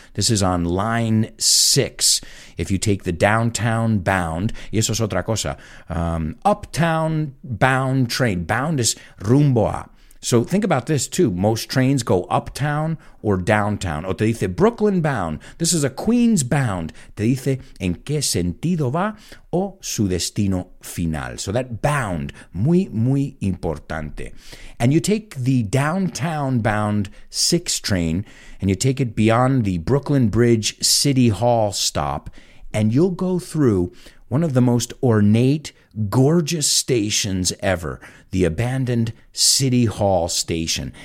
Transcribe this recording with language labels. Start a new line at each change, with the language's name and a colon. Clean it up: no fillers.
English: This is on Line 6. If you take the downtown bound,
Spanish: y eso es otra cosa,
English: uptown bound train. Bound is
Spanish: rumbo a.
English: So think about this too. Most trains go uptown or downtown.
Spanish: O te dice
English: Brooklyn bound. This is a Queens bound.
Spanish: Te dice en qué sentido va o su destino final.
English: So that bound,
Spanish: muy, muy importante.
English: And you take the downtown bound 6 train and you take it beyond the Brooklyn Bridge City Hall stop and you'll go through one of the most ornate, gorgeous stations ever, the abandoned City Hall station.